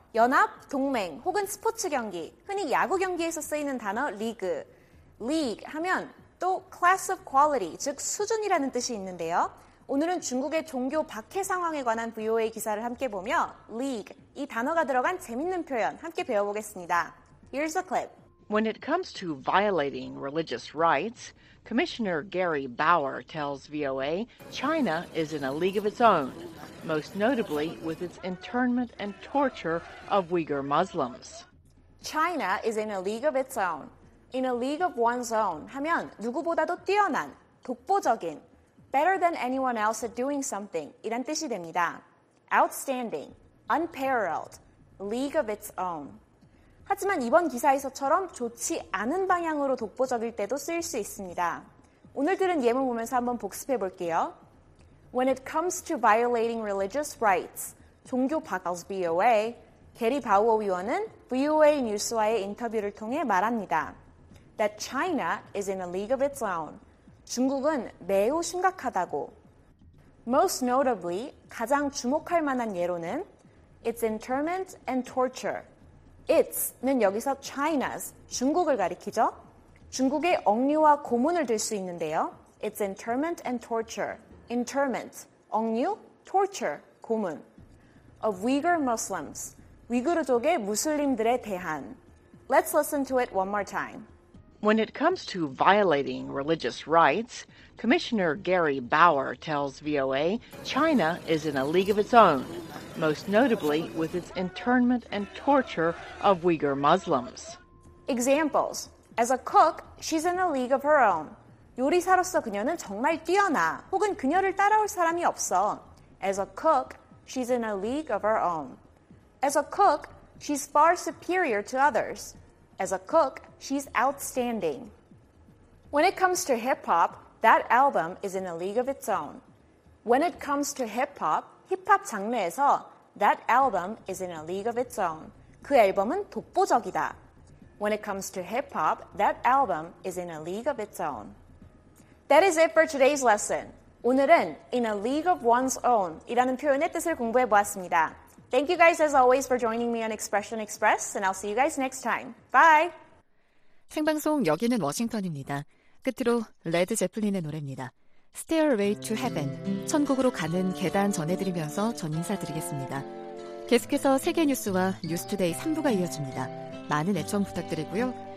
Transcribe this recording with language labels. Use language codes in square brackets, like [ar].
[ko] 연합, 동맹, 혹은 스포츠 경기, 흔히 야구 경기에서 쓰이는 단어 league. League 하면 또 [en] class of quality, [ko] 즉 수준이라는 뜻이 있는데요. 오늘은 중국의 종교 박해 상황에 관한 VOA 기사를 함께 보며 league, 이 단어가 들어간 재밌는 표현 함께 배워보겠습니다. [en] Here's a clip. When it comes to violating religious rights, Commissioner Gary Bauer tells VOA China is in a league of its own, most notably with its internment and torture of Uyghur Muslims. China is in a league of its own. In a league of one's own [ko] 하면 누구보다도 뛰어난, 독보적인, [en] better than anyone else at doing something [ko] 이란 뜻이 됩니다. [en] Outstanding, unparalleled, league of its own. [ko] 하지만 이번 기사에서처럼 좋지 않은 방향으로 독보적일 때도 쓰일 수 있습니다. 오늘 들은 예문 보면서 한번 복습해 볼게요. [en] When it comes to violating religious rights, [ko] 종교 박해 VOA, 게리 바우어 위원은 VOA 뉴스와의 인터뷰를 통해 말합니다. [en] That China is in a league of its own. [ko] 중국은 매우 심각하다고. [en] Most notably, [ko] 가장 주목할 만한 예로는 [en] its internment and torture. [ko] It's는 여기서 China's, 중국을 가리키죠. 중국의 억류와 고문을 들 수 있는데요. [en] It's internment and torture. Internment, 억류, torture, 고문. Of Uyghur Muslims, [ko] 위구르족의 무슬림들에 대한. [en] Let's listen to it one more time. When it comes to violating religious rights, Commissioner Gary Bauer tells VOA China is in a league of its own, most notably with its internment and torture of Uyghur Muslims. Examples. As a cook, she's in a league of her own. [ko] 요리사로서 그녀는 정말 뛰어나, 혹은 그녀를 따라올 사람이 없어. [en] As a cook, she's in a league of her own. As a cook, she's far superior to others. As a cook, she's outstanding. When it comes to hip-hop, that album is in a league of its own. When it comes to hip-hop, [ko] 힙합 장르에서 [en] that album is in a league of its own. [ko] 그 앨범은 독보적이다. [en] When it comes to hip-hop, that album is in a league of its own. That is it for today's lesson. [ko] 오늘은 [en] in a league of one's own [ko] 이라는 표현의 뜻을 공부해 보았습니다. [en] Thank you guys as always for joining me on Expression Express and I'll see you guys next time. Bye! [ko] 생방송 여기는 워싱턴입니다. 끝으로 레드 제플린의 노래입니다. Stairway to Heaven, 천국으로 가는 계단 전해드리면서 전 인사드리겠습니다. 계속해서 세계 뉴스와 뉴스 투데이 3부가 이어집니다. 많은 애청 부탁드리고요.